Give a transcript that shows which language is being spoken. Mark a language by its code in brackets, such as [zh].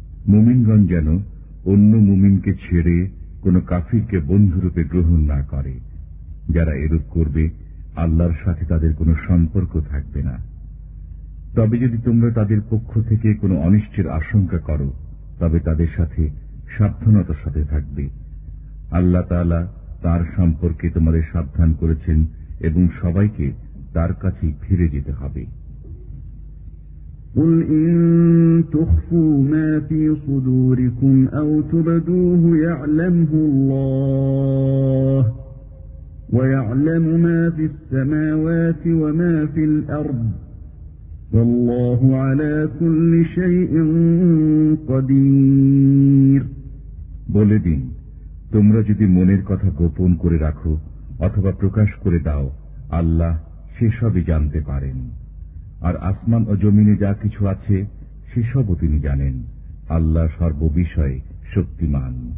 [bn] মুমিনগণ যেন অন্য মুমিনকে ছেড়ে কোন কাফিরকে বন্ধুরূপে গ্রহণ না করে যারা এরূপ করবে আল্লাহর সাথে তাদের কোন সম্পর্ক থাকবে না তবে যদি তোমরা তাদের পক্ষ থেকে কোনো অনিষ্টের আশঙ্কা করো তবে তাদের সাথে সাবধানতার সাথে থাকবে আল্লাহ তাআলা তার সম্পর্কে তোমাদের সাবধান করেছেন এবং সবাইকে তার কাছেই ফিরে যেতে হবে [ar] قل إن تخفوا ما في صدوركم أو تبدوه يعلمه الله ويعلم ما في السماوات وما في الأرض والله على كل شيء قدير [bn] বলে দিন তোমরা যদি মনের কথা গোপন করে রাখো অথবা প্রকাশ করে দাও আল্লাহ সেসবই জানতে পারেন আর আসমান ও জমিনে যা কিছু আছে সেসবও তিনি জানেন আল্লাহ সর্ববিষয়ে শক্তিমান